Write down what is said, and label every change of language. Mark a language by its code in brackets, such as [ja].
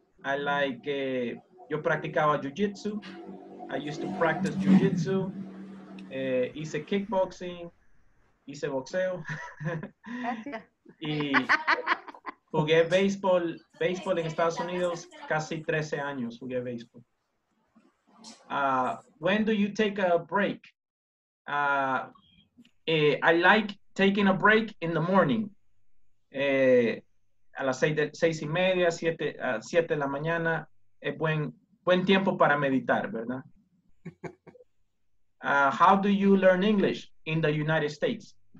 [en] I like, [es] yo practicaba jiu-jitsu. [en] I used to practice jiu-jitsu. [es] Hice kickboxing. Hice boxeo. Y jugué baseball en Estados Unidos casi 13 años jugué baseball. [en] When do you take a break? I like taking a break in the morning. [es] A las 6:30, 7 de la mañana es buen tiempo para meditar, ¿verdad? [en] How do you learn English in the United States?